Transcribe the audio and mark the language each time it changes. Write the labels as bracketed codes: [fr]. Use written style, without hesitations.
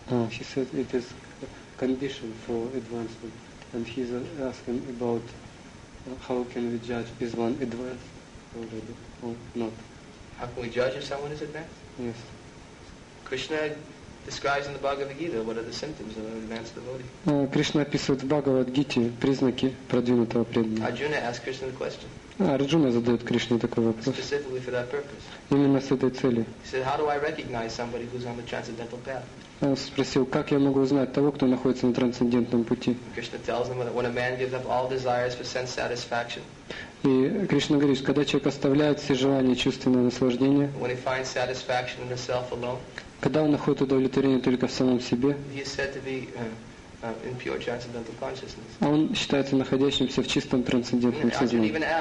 [en] He said it is condition for advancement, and he's asking about how can we judge is one advanced already or not? How can we judge if someone is advanced? Yes. Krishna describes in the Bhagavad Gita what are the symptoms of an advanced devotee. [ru] Krishna описывает в Bhagavad Gita признаки продвинутого преданного. [en] Arjuna asks Krishna the question. [ru] Арджуна задает Кришне такой вопрос. [en] Specifically for that purpose. [ru] Именно с этой целью. [en] He said, how do I recognize somebody who's on the transcendental path? [ru] Он спросил, как я могу узнать того, кто находится на трансцендентном пути? [en] Krishna tells him that when a man gives up all desires for sense satisfaction. [ru] И Кришна говорит, когда человек оставляет все желания чувственного наслаждения, [en] when he finds satisfaction in the self alone, [ru] когда он находит удовлетворение только в самом себе, [en] he is said to be in pure transcendental consciousness. [ru] Он считается находящимся в чистом трансцендентном сознании.